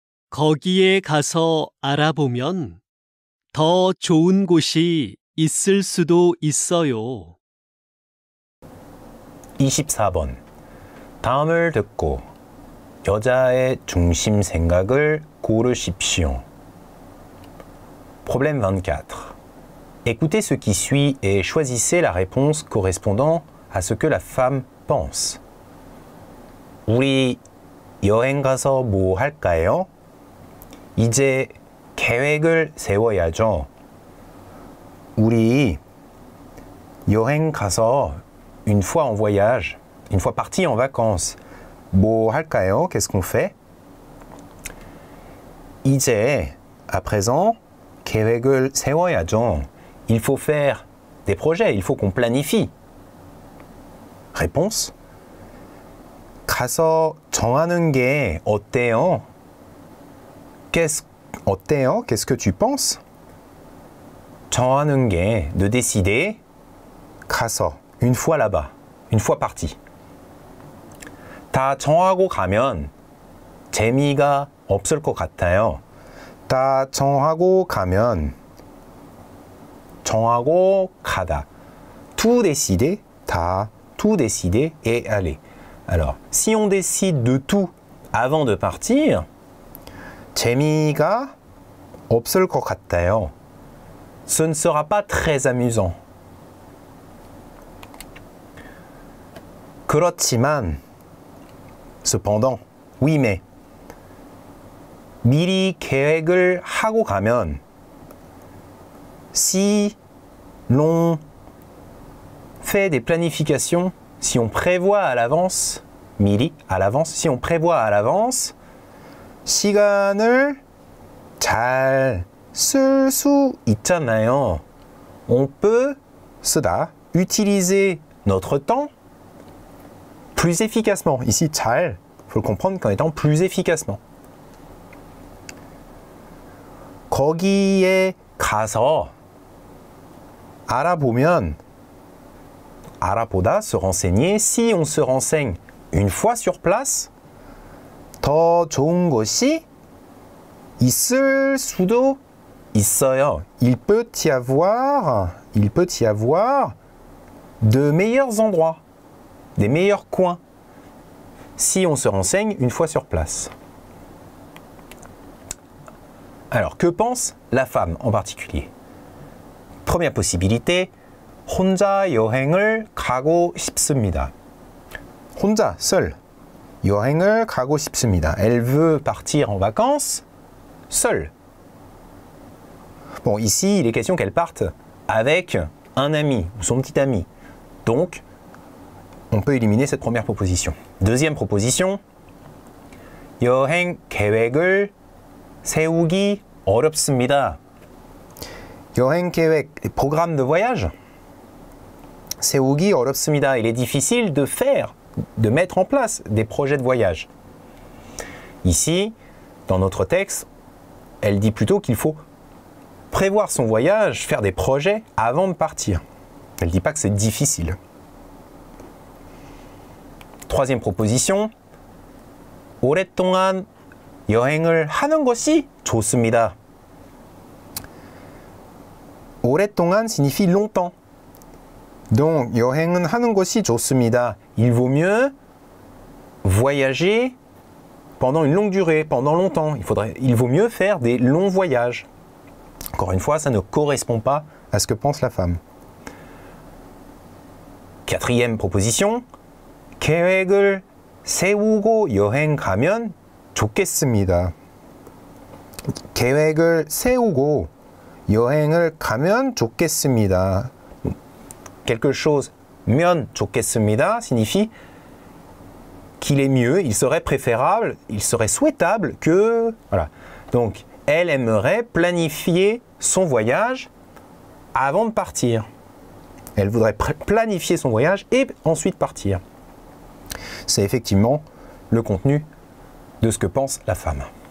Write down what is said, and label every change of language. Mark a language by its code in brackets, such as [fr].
[ko] 거기에 가서 알아보면 더 좋은 곳이 있을 수도 있어요. 24번. 다음을 듣고 여자의 중심 생각을 고르십시오. [fr] Problème 24. Écoutez ce qui suit et choisissez la réponse correspondant à ce que la femme pense. [ko] 우리 여행 가서 뭐 할까요? 이제 계획을 세워야죠. 우리 여행 가서 [fr] une fois en voyage, une fois parti en vacances. [ko] 뭐 할까요? [fr] Qu'est-ce qu'on fait? [ko] 이제 [fr] à présent [ko] 계획을 세워야죠. [fr] Il faut faire des projets, il faut qu'on planifie. Réponse. [ko] 가서 정하는 게 어때요? [fr] Qu'est-ce que tu penses? [ko] 정하는 게, [fr] de décider, [ko] 가서, [fr] une fois là-bas, une fois parti. [ko] 다 정하고 가면 재미가 없을 것 같아요. 다 정하고 가면, 정하고 가다. [fr] Tout décider, 다, tout décider et aller. Alors, si on décide de tout avant de partir, [ko] 재미가 없을 것 같아요. [fr] Ce ne sera pas très amusant. [ko] 그렇지만, [fr] cependant, oui mais, [ko] 미리 계획을 하고 가면, [fr] si l'on fait des planifications, si on prévoit à l'avance, 미리, à l'avance, si on prévoit à l'avance, [ko] 시간을 잘 쓸 수 있잖아요. [fr] On peut, cela, utiliser notre temps plus efficacement. Ici, 잘, il faut le comprendre qu'en étant plus efficacement. 거기에 가서 알아보면 알아보다, se renseigner, si on se renseigne une fois sur place, 더 좋은 곳이 있을 수도 있어요. Il peut y avoir de meilleurs endroits, des meilleurs coins, si on se renseigne une fois sur place. Alors, que pense la femme en particulier? Première possibilité, [ko] 혼자 여행을 가고 싶습니다. 혼자, [fr] seul. [ko] 여행을 가고 싶습니다. [fr] Elle veut partir en vacances, seul. Bon, ici, il est question qu'elle parte avec un ami, ou son petit ami. Donc, on peut éliminer cette première proposition. Deuxième proposition, [ko] 여행 계획을 세우기 어렵습니다. 여행 계획, [fr] programme de voyage, [ko] 세우기 어렵습니다. [fr] Il est difficile de faire, de mettre en place des projets de voyage. Ici, dans notre texte, elle dit plutôt qu'il faut prévoir son voyage, faire des projets avant de partir. Elle ne dit pas que c'est difficile. Troisième proposition, [ko] 오랫동안 여행을 하는 것이 좋습니다. [fr] 오랫동안 signifie longtemps. Donc, [ko] 여행은 하는 것이 좋습니다. [fr] Il vaut mieux voyager pendant une longue durée, pendant longtemps. Il vaut mieux faire des longs voyages. Encore une fois, ça ne correspond pas à ce que pense la femme. Quatrième proposition. [ko] 계획을 세우고 여행 가면 좋겠습니다. 계획을 세우고 여행을 가면 좋겠습니다. [fr] Quelque chose, [ko] 면 좋겠습니다, [fr] signifie qu'il est mieux, il serait préférable, il serait souhaitable que... Voilà. Donc, elle aimerait planifier son voyage avant de partir. Elle voudrait planifier son voyage et ensuite partir. C'est effectivement le contenu de ce que pense la femme.